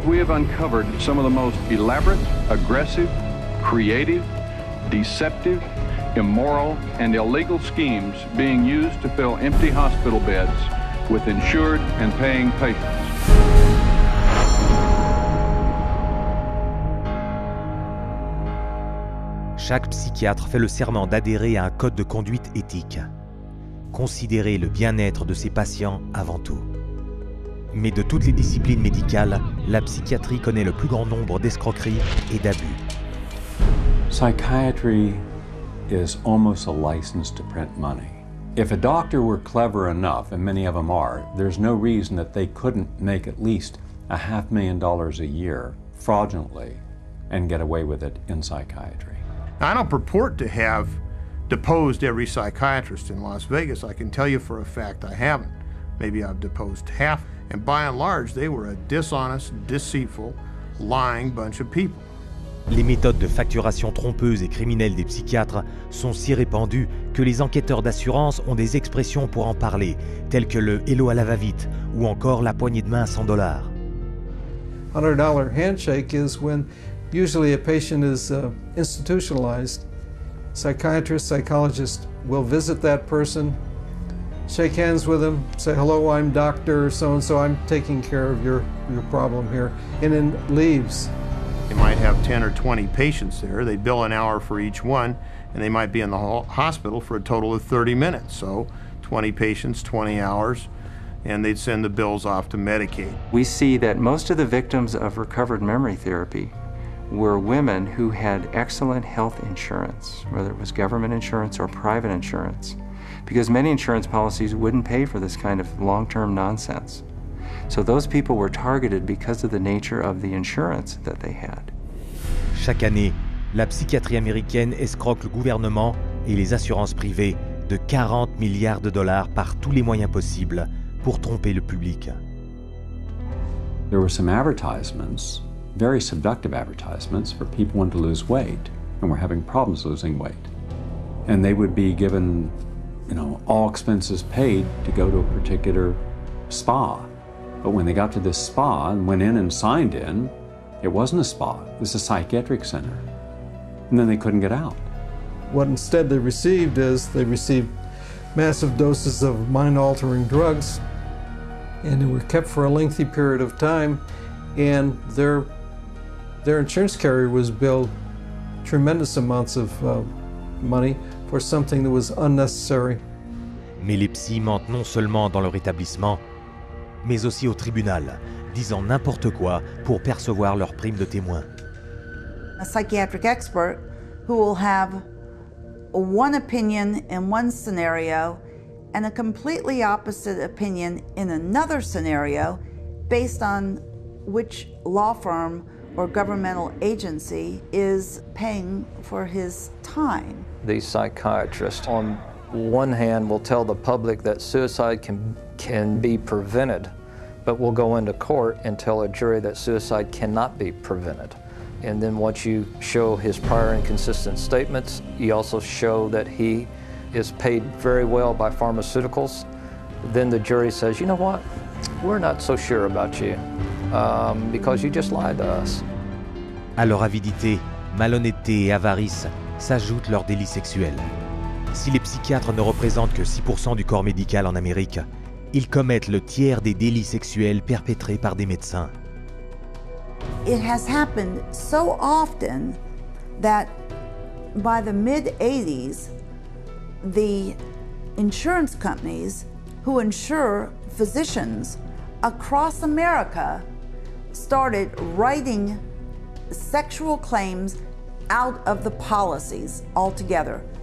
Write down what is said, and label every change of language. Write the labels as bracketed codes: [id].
[en] We have uncovered some of the most elaborate, aggressive, creative, deceptive, immoral, and illegal schemes being used to fill empty hospital beds with insured and paying patients. [fr] Chaque psychiatre fait le serment d'adhérer à un code de conduite éthique. Considérer le bien-être de ses patients avant tout. Mais de toutes les disciplines médicales, la psychiatrie connaît le plus grand nombre d'escroqueries et d'abus. [en] Psychiatry is almost a license to print money. If a doctor were clever enough, and many of them are, there's no reason that they couldn't make at least $500,000 a year fraudulently and get away with it in psychiatry. I don't purport to have deposed every psychiatrist in Las Vegas. I can tell you for a fact I haven't. Maybe I've deposed half. And by and large, they were a dishonest, deceitful, lying bunch of people. [fr] Les méthodes de facturation trompeuses et criminelles des psychiatres sont si répandues que les enquêteurs d'assurance ont des expressions pour en parler, telles que le « hello à la va-vite » ou encore la poignée de main à 100 dollars. [en] $100 handshake is when usually a patient is institutionalized. Psychiatrist, psychologist will visit that person, shake hands with them, say hello, I'm doctor so-and-so, I'm taking care of your problem here, and then leaves. They might have 10 or 20 patients there. They bill an hour for each one, and they might be in the hospital for a total of 30 minutes. So 20 patients, 20 hours, and they'd send the bills off to Medicaid. We see that most of the victims of recovered memory therapy were women who had excellent health insurance, whether it was government insurance or private insurance, because many insurance policies wouldn't pay for this kind of long-term nonsense. So those people were targeted because of the nature of the insurance that they had. [fr] Chaque année, la psychiatrie américaine escroque le gouvernement et les assurances privées de 40 milliards de dollars par tous les moyens possibles pour tromper le public. [en] There were some advertisements, very seductive advertisements, for people wanting to lose weight and were having problems losing weight. And they would be given, you know, all expenses paid to go to a particular spa. But when they got to this spa and went in and signed in, it wasn't a spa, it was a psychiatric center. And then they couldn't get out. What instead they received is, they received massive doses of mind-altering drugs, and they were kept for a lengthy period of time, and their insurance carrier was billed tremendous amounts of money for something that was unnecessary. [fr] Mais les psys mentent non seulement dans leur établissement, mais aussi au tribunal, disant n'importe quoi pour percevoir leur prime de témoin. [en] A psychiatric expert who will have one opinion in one scenario and a completely opposite opinion in another scenario based on which law firm or governmental agency is paying for his time. The psychiatrist on one hand will tell the public that suicide can be prevented, but we'll go into court and tell a jury that suicide cannot be prevented. And then once you show his prior inconsistent statements, you also show that he is paid very well by pharmaceuticals, then the jury says, you know what, we're not so sure about you because you just lied to us. [fr] À leur avidité, malhonnêteté et avarice s'ajoutent leurs délits sexuels. Si les psychiatres ne représentent que 6% du corps médical en Amérique, ils commettent le tiers des délits sexuels perpétrés par des médecins. [en] It has happened so often that by the mid-80s, the insurance companies who insure physicians across America started writing sexual claims out of the policies altogether.